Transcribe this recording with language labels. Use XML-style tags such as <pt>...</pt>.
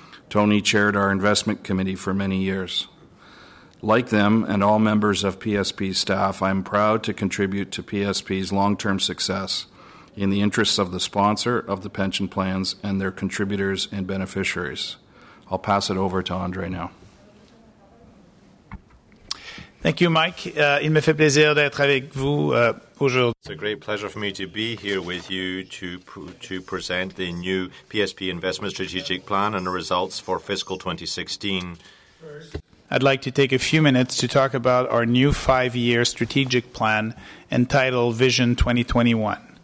<en>Tony chaired our investment committee for many years. Like them and all members of PSP staff, I'm proud to contribute to PSP's long-term success in the interests of the sponsor of the pension plans and their contributors and beneficiaries. I'll pass it over to Andre now. Thank you, Mike.</en> <fr>Il me fait plaisir d'être avec vous aujourd'hui.</fr> <en>It's a great pleasure for me to be here with you to present the new PSP Investment Strategic Plan and the results for fiscal 2016. I'd like to take a few minutes to talk about our new five-year strategic plan entitled Vision 2021.</en>